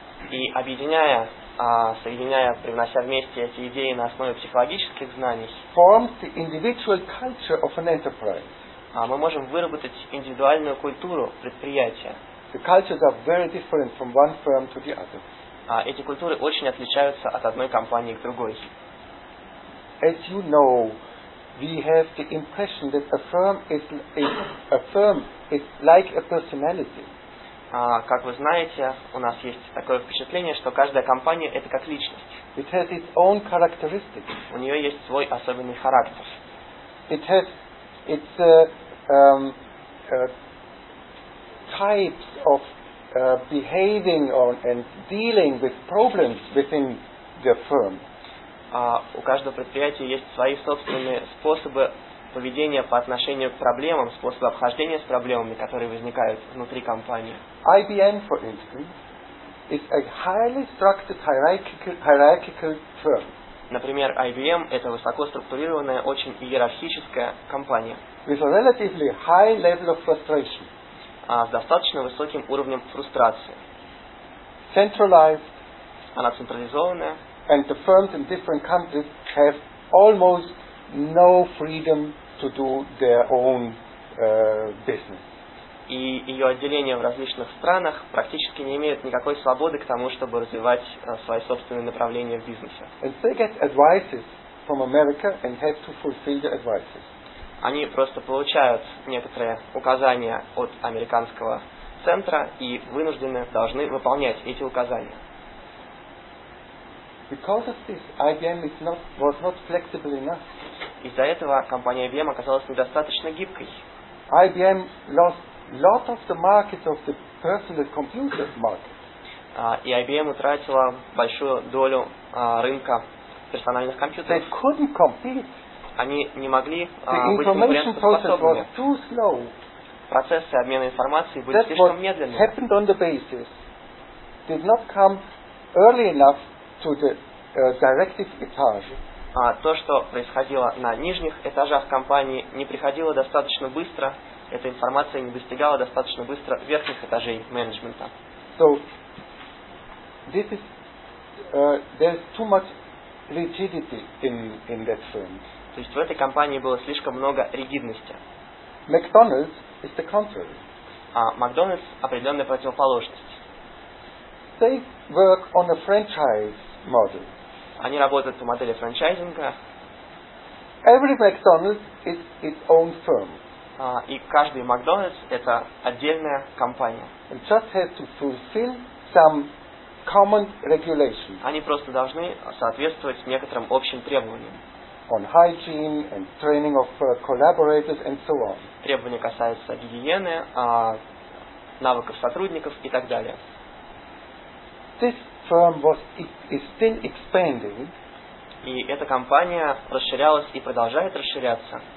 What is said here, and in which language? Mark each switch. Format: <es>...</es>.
<ru>И объединяя, соединяя, привнося вместе эти идеи на основе психологических знаний,</ru> <en>forms the individual culture of an enterprise.</en> <ru>Мы можем выработать индивидуальную культуру предприятия.</ru> <en>The cultures are very different from one firm to the other.</en> <ru>Эти культуры очень отличаются от одной компании к другой.</ru> <en>As you know, we have the impression that affirm is like a personality.</en> <ru>Как вы знаете, у нас есть такое впечатление, что каждая компания это как личность.</ru> <en>It has its own characteristics.</en> <ru>У нее есть свой особенный характер.</ru> <en>It has its types of behaving on and dealing with problems within the firm.</en> <ru>У каждого предприятия есть свои собственные способы поведения по отношению к проблемам, способы обхождения с проблемами, которые возникают внутри компании.</ru> <en>IBM, for instance, is a highly structured hierarchical firm.</en> <ru>Например, IBM это высоко структурированная, очень иерархическая компания.</ru> <en>With a relatively high level of frustration.</en> <ru>С достаточно высоким уровнем фрустрации.</ru> <en>Centralized.</en> <ru>Она централизованная.</ru> <en>And the firms in different countries have almost no freedom to do their own business.</en> <ru>И ее отделения в различных странах практически не имеют никакой свободы к тому, чтобы развивать свои собственные направления в бизнесе.</ru> <en>And they get advices from America and have to fulfill the advices.</en> <ru>Они просто получают некоторые указания от американского центра и вынуждены, должны выполнять эти указания.</ru> <en>Because of this, IBM was not flexible enough.</en> <ru>Из-за этого компания IBM оказалась недостаточно гибкой.</ru> <en>IBM lost lot of the market of the personal computer market.</en> <ru>И IBM утратила большую долю рынка персональных компьютеров.</ru> <en>They couldn't compete.</en> <ru>Они не могли быть конкурентоспособными. Процессы обмена информацией были слишком медленными.</ru> <en>That happened on the basis did not come early enough to the directive etage.</en> <ru>То, что происходило на нижних этажах компании, не приходило достаточно быстро. Эта информация не достигала достаточно быстро верхних этажей менеджмента.</ru> <en>So this is there's too much rigidity in that firm.</en> <ru>То есть в этой компании было слишком много ригидности.</ru> <en>McDonald's is the contrary.</en> <ru>McDonald's определенная противоположность.</ru> <en>They work on a franchise model.</en> <ru>Они работают по модели франчайзинга.</ru> <en>Every McDonald's is its own firm.</en> <ru>И каждый McDonald's это отдельная компания.</ru> <en>And just has to fulfill some common regulations.</en> <ru>Они просто должны соответствовать некоторым общим требованиям.</ru> <en>On hygiene and training of collaborators and so on.</en> <ru>Требования касаются гигиены, навыков сотрудников и так далее.</ru> <en>This firm is still expanding.</en> <ru>И эта компания расширялась и продолжает расширяться.</ru>